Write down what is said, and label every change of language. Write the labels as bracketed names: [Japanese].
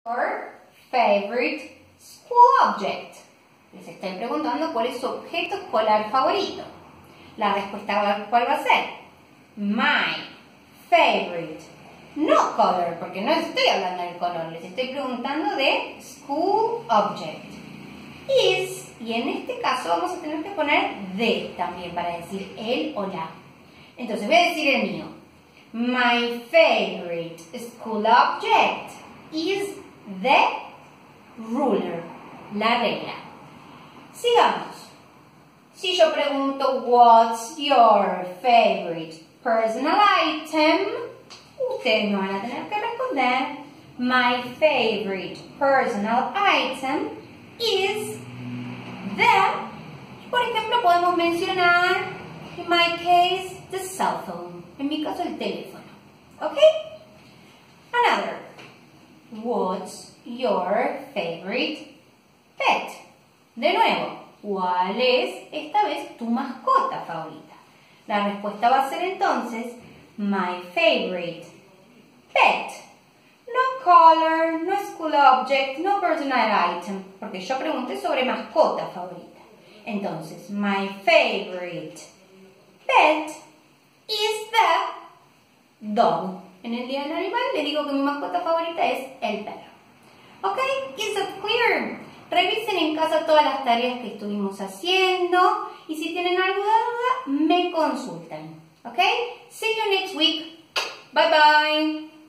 [English] Her favorite school object. [Spanish] Les estoy preguntando cuál es su objeto escolar favorito. La respuesta, ¿cuál va a ser? [English] My favorite. No color, [Spanish] porque no estoy hablando del color. Les estoy preguntando de [English] school object. Is, [Spanish] y en este caso vamos a tener que poner the también para decir el o la. Entonces voy a decir el mío. [English] My favorite school object is the ruler, [Spanish] la regla. Sigamos. Si yo pregunto, [English] what's your favorite personal item? [Spanish] Ustedes me van a tener que responder, [English] my favorite personal item is the, [Spanish] por ejemplo, podemos mencionar, [English] in my case, the cell phone. [Spanish] En mi caso, el teléfono. ¿Ok? [English] Another. What's your favorite pet? [Spanish] De nuevo, ¿cuál es esta vez tu mascota favorita? La respuesta va a ser entonces, [English] my favorite pet. No color, no school object, no personal item. [Spanish] Porque yo pregunté sobre mascota favorita. Entonces, [English] my favorite pet is the dog. [Spanish] En el día del animal le digo que mi mascota favorita es el perro. ¿Ok? [English] Is it clear? [Spanish] Revisen en casa todas las tareas que estuvimos haciendo y si tienen alguna duda, me consultan. ¿Ok? [English] See you next week. Bye bye.